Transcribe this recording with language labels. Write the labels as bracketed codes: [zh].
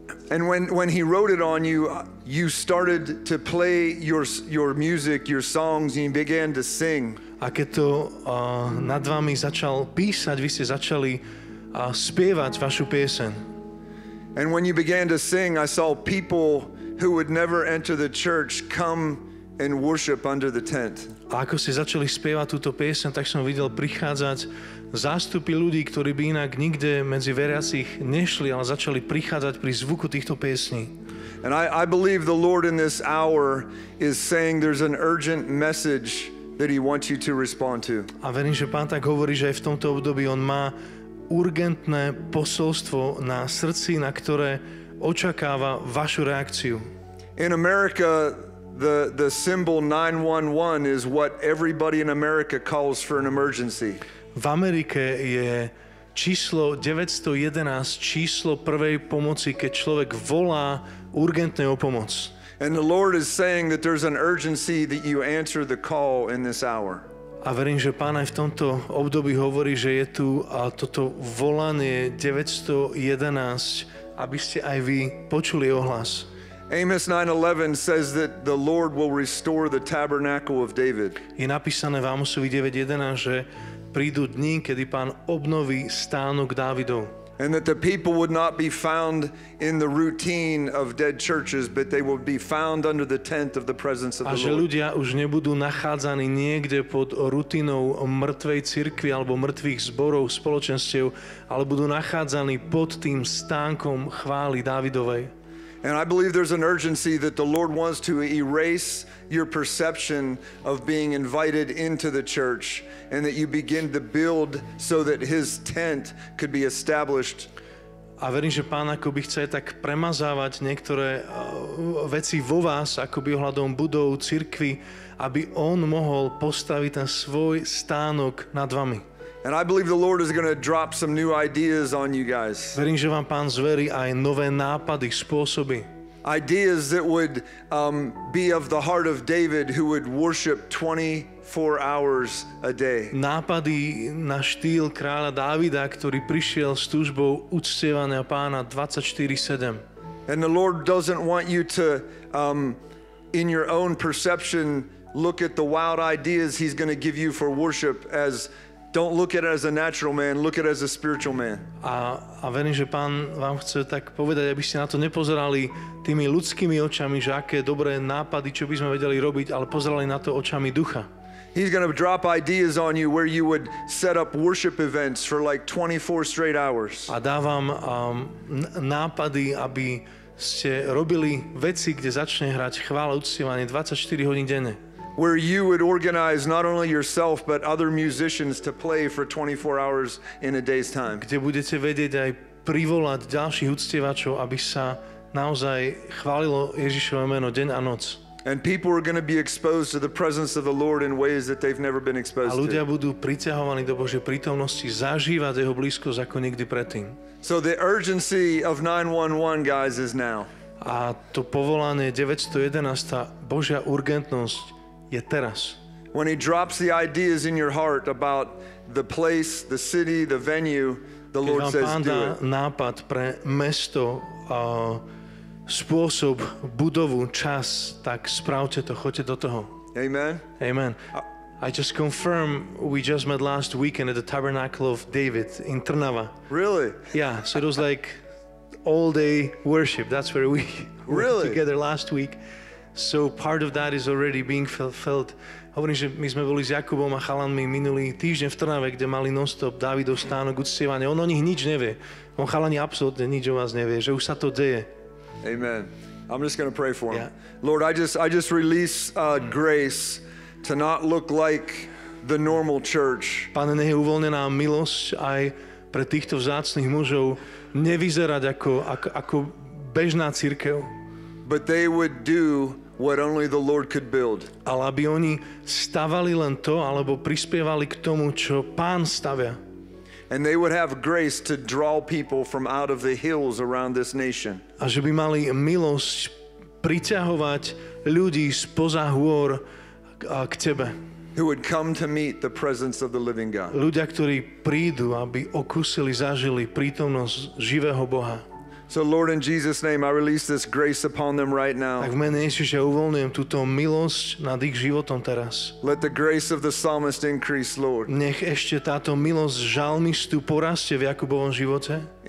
[en] And when he wrote it on you, you started to play your music, your songs, and you began to sing. [sk] A keď to nad vami začal písať, vy ste začali spievať vašu pieseň. [en] And when you began to sing, I saw people who would never enter the church come and worship under the tent. [sk] A ako ste začali spievať túto pieseň, tak som videl prichádzať zástupy ľudí, ktorí by inak nikde medzi veriacich nešli, ale začali prichádzať pri zvuku týchto piesní. [en] And I believe the Lord in this hour is saying there's an urgent message that he wants you to respond to. [sk] A verím, že Pán tak hovorí, že aj v tomto období on má urgentné posolstvo na srdci, na ktoré očakáva vašu reakciu. [en] In America, the symbol 911 is what everybody in America calls for an emergency. [sk] V Amerike je číslo 911 číslo prvej pomoci, keď človek volá urgentne o pomoc. [en] And the Lord is saying that there's an urgency that you answer the call in this hour. [sk] A verím, že Pán aj v tomto období hovorí, že je tu a toto volanie 911, aby ste aj vy počuli ohlas. [en] Amos 9:11 says that the Lord will restore the tabernacle of David. [sk] Je napísané v Amosovi 9:11, že prídu dni, kedy Pán obnoví stánok Dávidov. [en] And that the people would not be found in the routine of dead churches, but they would be found under the tent of the presence of the Lord. [sk] A že ľudia už nebudú nachádzaní niekde pod rutinou mŕtvej cirkvi alebo mŕtvych zborov, spoločenstiev, ale budú nachádzaní pod tým stánkom chvály Dávidovej. [en] And I believe there's an urgency that the Lord wants to erase your perception of being invited into the church and that you begin to build so that his tent could be established. [sk] A verím, že Pán akoby chce tak premazávať niektoré veci vo vás, akoby ohľadom budov, cirkvi, aby on mohol postaviť ten svoj stánok nad vami. [en] And I believe the Lord is going to drop some new ideas on you guys. [sk] Verím, že vám Pán zverí aj nové nápady, spôsoby. [en] ideas that would be of the heart of David, who would worship 24 hours a day. [sk] Nápady na štýl kráľa Dávida, ktorý prišiel s túžbou uctievania Pána 24/7. [en] And the Lord doesn't want you to in your own perception look at the wild ideas he's going to give you for worship as, don't look at it as a natural man, look at it as a spiritual man. [sk] A verím, že Pán vám chce tak povedať, aby ste na to nepozerali tými ľudskými očami, že aké dobré nápady, čo by sme vedeli robiť, ale pozerali na to očami ducha. [en] He's going to drop ideas on you where you would set up worship events for like 24 straight hours. [sk] A dávam nápady, aby ste robili veci, kde začne hrať chvála, uctievanie 24 hodín denne. [en] Where you would organize not only yourself but other musicians to play for 24 hours in a day's time. [sk] Kde budete vedieť aj privolať ďalších uctievačov, aby sa naozaj chválilo Ježišovo meno deň a noc. [en] And people are going to be exposed to the presence of the Lord in ways that they've never been exposed to. [sk] A ľudia budú priťahovaní do Božej prítomnosti, zažívať jeho blízkosť ako nikdy predtým. [en] So the urgency of 911, guys, is now. [sk] A to povolanie 911, Božia urgentnosť je teraz. [en] When he drops the ideas in your heart about the place, the city, the venue, the Lord says, do it. [sk] Keď vám dá nápad pre mesto, spôsob, budovu, čas, tak spravte to, choďte do toho. Amen. Amen. [en] I just confirm, we just met last weekend at the Tabernacle of David in Trnava. Really? Yeah, so it was like all day worship. That's where we really? Were together last week. So part of that is already being felt. [sk] Hovorím, že my sme boli s Jakubom a chalanmi minulý týždeň v Trnave, kde mali non-stop Dávidov stánok uctievanie. On o nich nič nevie. On chalani absolútne nič o vás nevie, že už sa to deje. Amen. [en] I'm just going to pray for him. Yeah. Lord, I just release grace to not look like the normal church. [sk] Pane, nech je uvoľnená milosť aj pre týchto vzácnych mužov nevyzerať ako bežná cirkev. [en] But they would do what only the Lord could build. [sk] Ale aby oni stavali len to, alebo prispievali k tomu, čo Pán stavia. [en] And they would have grace to draw people from out of the hills around this nation. [sk] A že by mali milosť priťahovať ľudí spoza hôr k tebe. [en] Who would come to meet the presence of the living God. [sk] Ľudia, ktorí prídu, aby okúsili, zažili prítomnosť živého Boha. [en] So Lord, in Jesus' name, I release this grace upon them right now. [sk] Tak v mene Ježiša uvoľňujem túto milosť nad ich životom teraz. [en] Let the grace of the psalmist increase, Lord. [sk] Nech ešte táto milosť žalmistu porastie v Jakubovom živote.